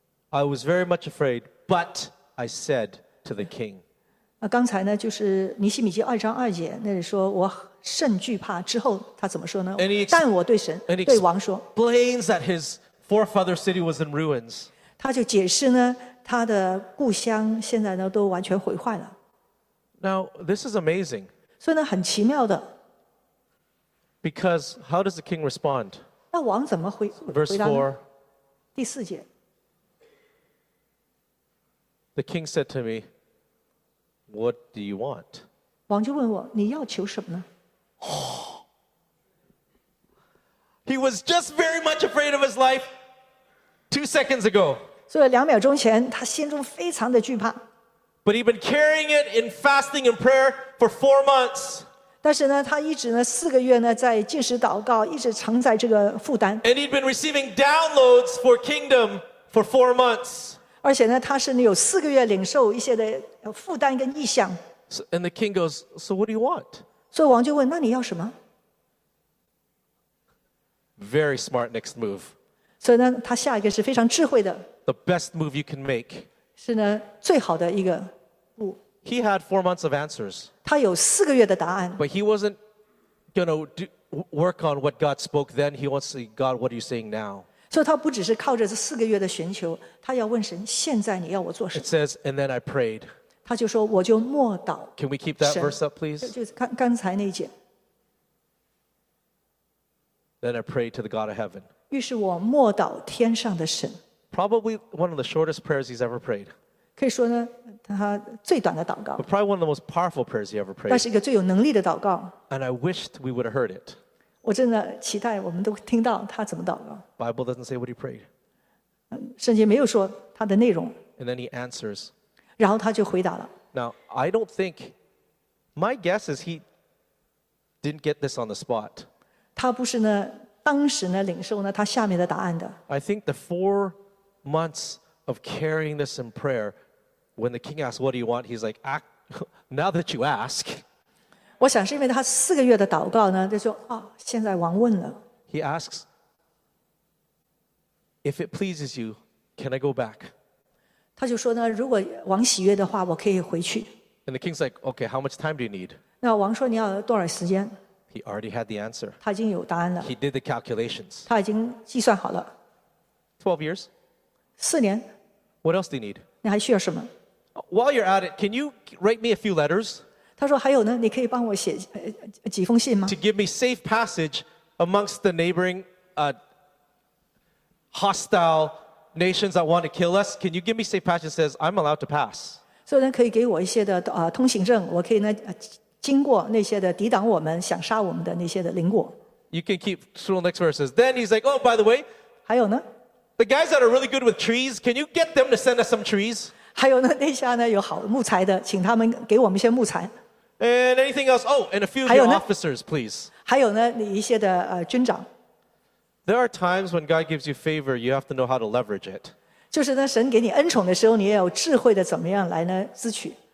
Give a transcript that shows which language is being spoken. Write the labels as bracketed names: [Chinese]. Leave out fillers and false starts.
[English] I was very much afraid, but I said to the king. [Chinese] 刚才呢，就是尼希米记二章二节，那里说我。甚惧怕之后他怎么说呢 但我对神对王说 [English] explains that his forefather city was in ruins [Chinese] 他就解释呢他的故乡现在呢都完全毁坏了 [English] Now this is amazing [Chinese] 所以呢很奇妙的 [English] Because how does the king respond [Chinese] 那王怎么 [English] Verse 4 [Chinese] 第四节 [English] The king said to me What do you want [Chinese] 王就问我你要求什么呢 [English] He was just very much afraid of his life 2 seconds ago. [Chinese] 所以两秒钟前他心中非常的惧怕。 [English] But he'd been carrying it in fasting and prayer for 4 months. [Chinese] 但是呢，他一直呢四个月呢在禁食祷告，一直承载这个负担。 [English] And he'd been receiving downloads for kingdom for 4 months. [Chinese] 而且呢，他是有四个月领受一些的负担跟意向。 [English] So, and the king goes, "So what do you want?" [Chinese] 所以王就问，那你要什么 [English] ？Very smart next move. [Chinese] 所以呢，他下一个是非常智慧的。 [English] The best move you can make. [Chinese] 是呢最好的一个步。 [English] He had 4 months of answers. [Chinese] 他有四个月的答案。 [English] But he wasn't going to work on what God spoke then. He wants to say, God, what are you saying now? [Chinese] 所以他不只是靠着这四个月的寻求，他要问神，现在你要我做什么？ [English] It says, and then I prayed. [Chinese] 他就说，我就默祷。 [English] Can we keep that verse up, please? [Chinese] 就是刚才那一节。 [English] Then I prayed to the God of heaven. [Chinese] 于是我默祷天上的神。 [English] Probably one of the shortest prayers he's ever prayed. [Chinese] 可以说呢，他最短的祷告。 [English] But probably one of the most powerful prayers he ever prayed. [Chinese] 但是一个最有能力的祷告。 [English] And I wished we would have heard it. [Chinese] 我真的期待我们都听到他怎么祷告。 [English] Bible doesn't say what he prayed. [Chinese] 圣经没有说他的内容。 [English] And then he answers. [Chinese] 然后他就回答了。 [English] Now, I don't think, my guess is he didn't get this on the spot. [Chinese] 他不是呢，当时呢，领受呢，他下面的答案的。 [English] I think the four... months of carrying this in prayer when the king asks what do you want he's like now that you ask [Chinese] 我想是因为他四个月的祷告呢就说啊、哦、现在王问了 [English] he asks if it pleases you can I go back [Chinese] 他就说呢如果王喜悦的话我可以回去 [English] and the king's like okay how much time do you need [Chinese] 那王说你要多少时间 [English] he already had the answer [Chinese] 他已经有答案了 [English] he did the calculations [Chinese] 他已经计算好了 [English] 12 years [Chinese] 四年 [English] What else do you need? [Chinese] 你还需要什么 [English] While you're at it, can you write me a few letters? [Chinese] 他说还有呢你可以帮我写几封信吗 [English] To give me safe passage amongst the neighboring hostile nations that want to kill us. Can you give me safe passage that says I'm allowed to pass? [Chinese] 所以呢可以给我一些的通行证我可以呢经过那些的抵挡我们想杀我们的那些的邻国 [English] You can keep through the next verses. Then he's like, oh, by the way, [Chinese] 还有呢 [English] The guys that are really good with trees, can you get them to send us some trees? [Chinese] 还有呢，那下呢有好木材的，请他们给我们一些木材。 [English] And anything else? Oh, and a few of your officers, please. [Chinese] 还有呢，你一些的军长。 [English] There are times when God gives you favor, you have to know how to leverage it. [Chinese] 就是呢，神给你恩宠的时候，你也有智慧的怎么样来呢支取。